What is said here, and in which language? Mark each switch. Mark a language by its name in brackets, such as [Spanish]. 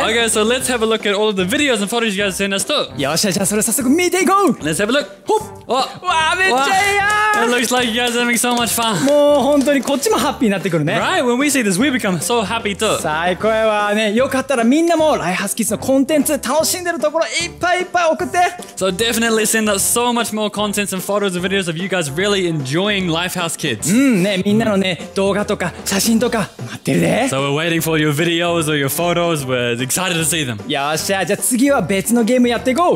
[English] Okay, so let's have a look at all of the videos and photos you guys sent us too. [Japanese] よっしゃ、じゃあそれ早速見ていこう。 [English] Let's have a look. ほっ。 [Japanese] わあ、めっちゃいいやん。 [English] It looks like you guys are having so much fun. [Japanese] もう本当にこっちもハッピーになってくるね。 [English] Right, when we see this, we become so happy too. [Japanese] 最高やわね。よかったらみんなも Lifehouse Kids のコンテンツ楽しんでるところいっぱいいっぱい送って。 [English] So definitely send us so much more contents and photos and videos of you guys really enjoying Lifehouse Kids. [Japanese] ね、みんなのね、動画とか写真とか待ってるで。 [English] So we're waiting for your videos or your photos. We're excited to see them. [Japanese] よっしゃ、じゃあ次は別のゲームやっていこう。